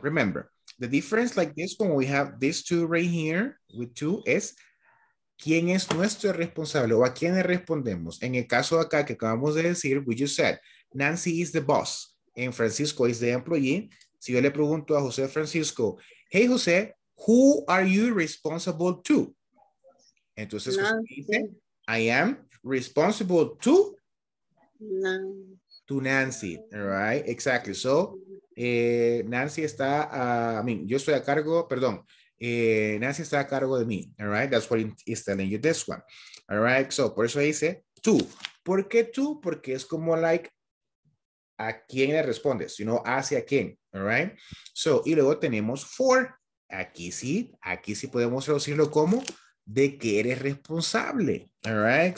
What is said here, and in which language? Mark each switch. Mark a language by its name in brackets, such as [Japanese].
[English] Remember, the difference like this one, we have these two right here with two is... [Spanish] ¿Quién es nuestro responsable o a quién le respondemos? En el caso acá que acabamos de decir, [English] we just said, Nancy is the boss and Francisco is the employee. [Spanish] Si yo le pregunto a José Francisco, [English] hey José, who are you responsible to? [Spanish] Entonces José dice, [English] I am responsible to Nancy. To Nancy, all right, exactly. So [Spanish] Nancy está, yo estoy a cargo, perdón, Nancy está a cargo de mí, all right? [English] That's what is telling you this one, all right? [Spanish] So, por eso dice tú. ¿Por qué tú? Porque es como like, ¿a quién le respondes? [English] You know, [Spanish] ¿hacia quién? All right? So, y luego tenemos for. Aquí sí podemos traducirlo como de que eres responsable, [English] all right?